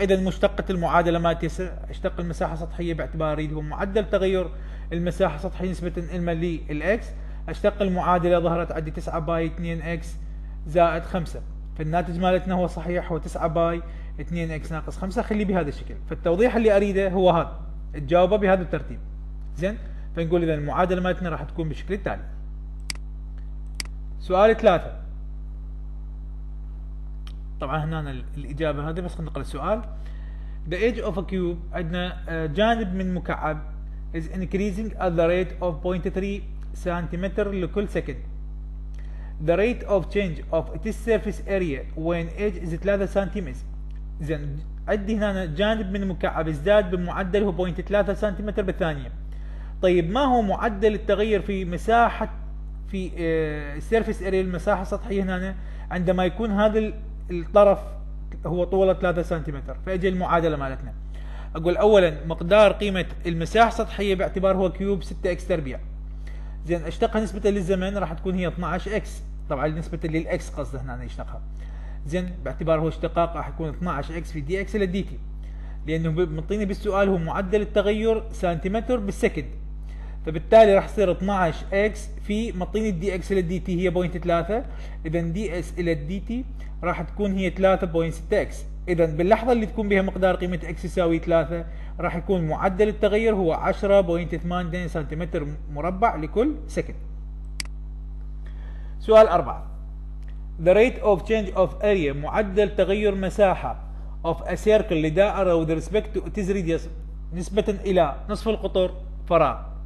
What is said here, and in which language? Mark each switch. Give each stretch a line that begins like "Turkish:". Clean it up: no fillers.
Arabic: اذا مشتقة المعادلة ما تيسى اشتق المساحة السطحية باعتبار اريد هو معدل تغير المساحة السطحية نسبة الما للاكس، اشتق المعادلة ظهرت عندي 9 باي 2 اكس زائد 5، فالناتج مالتنا هو صحيح هو 9 باي 2 اكس ناقص 5، خليه بهذا الشكل. فالتوضيح اللي اريده هو هذا، تجاوبه بهذا الترتيب. زين، فنقول اذا المعادلة مالتنا راح تكون بالشكل التالي. سؤال 3، طبعا هنا الإجابة هذه بس نقرأ السؤال.
English: The edge of a cube،
Arabic: عندنا جانب من مكعب
English: is increasing at the rate of 0.3
Arabic: سنتيمتر لكل سكند.
English: the rate of change of this surface area when age is 3 centimetre.
Arabic: زين عندي هنا جانب من المكعب ازداد بمعدل 0.3 سنتيمتر بالثانية. طيب ما هو معدل التغير في مساحة في سيرفيس اريا، المساحة السطحية هنا، عندما يكون هذا الطرف هو طوله 3 سنتيمتر؟ فاجي المعادلة مالتنا. اقول اولا مقدار قيمة المساحة السطحية باعتبار هو كيوب 6 اكس تربيع. زين اشتقها نسبة للزمن راح تكون هي 12 اكس، طبعا نسبة للاكس قصده هنا اشتقها. زين باعتبار هو اشتقاق راح يكون 12 اكس في دي اكس الى دي تي، لانه مطيني بالسؤال هو معدل التغير سنتيمتر بالسكند، فبالتالي راح يصير 12 اكس في مطيني الدي اكس الى دي تي هي 0.3، اذا دي اس الى دي تي راح تكون هي 3.6 اكس. اذا باللحظه اللي تكون بها مقدار قيمه اكس يساوي 3 راح يكون معدل التغير هو 10.8 سنتيمتر مربع لكل سكند.
English: سؤال 4، the rate of change of area،
Arabic: معدل تغير مساحه
English: of a circle
Arabic: لدائرة
English: with respect to its radius
Arabic: نسبة إلى نصف القطر فراغ.